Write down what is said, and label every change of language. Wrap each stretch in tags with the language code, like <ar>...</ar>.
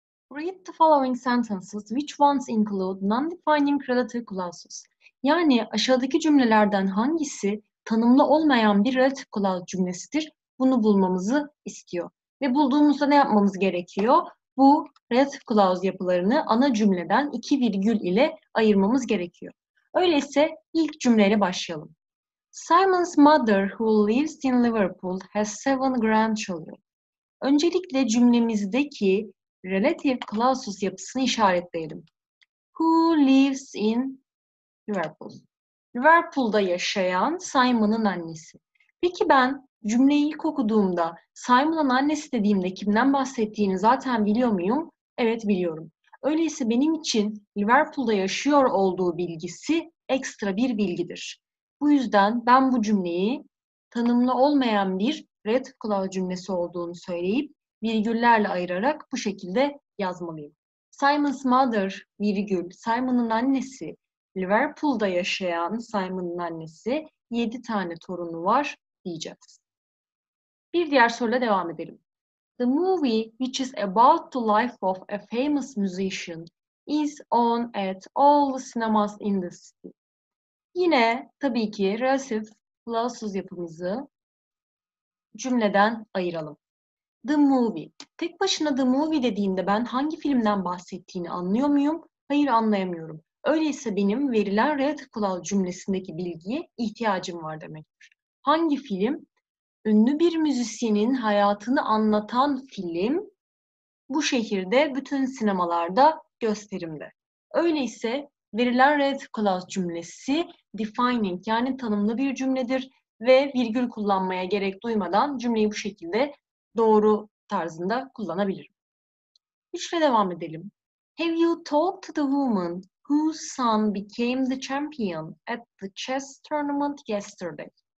<en>Read the following sentences which ones include non-defining relative clauses.</en> <tr>Yani aşağıdaki cümlelerden hangisi tanımlı olmayan bir relative clause cümlesidir? Bunu bulmamızı istiyor. Ve bulduğumuzda ne yapmamız gerekiyor? Bu relative clause yapılarını ana cümleden iki virgül ile ayırmamız gerekiyor. Öyleyse ilk cümleyle başlayalım.</tr> <en>Simon's mother who lives in Liverpool has seven grandchildren.</en> <tr>Öncelikle cümlemizdeki relative clauses yapısını işaretleyelim.</tr> <en>Who lives in Liverpool?</en> <tr>Liverpool'da yaşayan Simon'ın annesi. Peki ben cümleyi ilk okuduğumda Simon'ın annesi dediğimde kimden bahsettiğini zaten biliyor muyum? Evet biliyorum. Öyleyse benim için Liverpool'da yaşıyor olduğu bilgisi ekstra bir bilgidir. Bu yüzden ben bu cümleyi tanımlı olmayan bir relative clause cümlesi olduğunu söyleyip virgüllerle ayırarak bu şekilde yazmalıyım.</tr> <en>Simon's mother,</en> <tr>virgül, Simon'ın annesi, Liverpool'da yaşayan Simon'ın annesi, 7 tane torunu var diyeceğiz. Bir diğer soruyla devam edelim.</tr> <en>The movie which is about the life of a famous musician is on at all the cinemas in the city.</en> <tr>Yine tabii ki relative clauses yapımızı cümleden ayıralım.</tr> <en>The movie.</en> <tr>Tek başına the movie dediğinde ben hangi filmden bahsettiğini anlıyor muyum? Hayır, anlayamıyorum. Öyleyse benim verilen relative clause cümlesindeki bilgiye ihtiyacım var demektir. Hangi film? Ünlü bir müzisyenin hayatını anlatan film bu şehirde bütün sinemalarda gösterimde. Öyleyse verilen relative clause cümlesi defining yani tanımlı bir cümledir ve virgül kullanmaya gerek duymadan cümleyi bu şekilde doğru tarzında kullanabilirim. Üçle devam edelim.</tr> <en>Have you talked to the woman whose son became the champion at the chess tournament yesterday?</en>